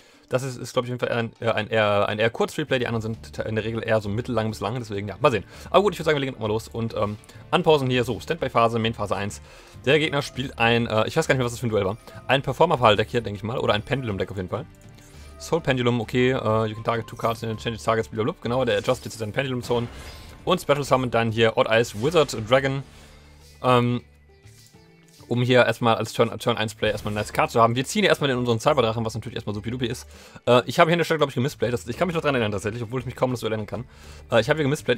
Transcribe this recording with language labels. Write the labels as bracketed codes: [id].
[de] Das ist glaube ich, auf jeden Fall ein eher kurzes Replay, die anderen sind in der Regel eher so mittellang bis lang, deswegen, ja, mal sehen. Aber gut, ich würde sagen, wir legen mal los und anpausen hier. So, Standby-Phase, Main-Phase 1. Der Gegner spielt ein, ich weiß gar nicht mehr, was das für ein Duell war. Ein Performer-Fall-Deck hier, denke ich mal, oder ein Pendulum-Deck auf jeden Fall. [en] Soul Pendulum, okay, you can target 2 cards and change its targets, blablabla. [de] Genau, der adjustet jetzt seinen Pendulum-Zone. Und Special Summon dann hier Odd Eyes Wizard Dragon. Um hier erstmal als Turn 1 Play erstmal ein nice Card zu haben. Wir ziehen hier erstmal in unseren Cyberdrachen, was natürlich erstmal supi-dupi ist. Ich habe hier an der Stelle, glaube ich, gemissplayed. Ich kann mich noch daran erinnern tatsächlich, obwohl ich mich kaum noch so erinnern kann. Ich habe hier gemissplayed.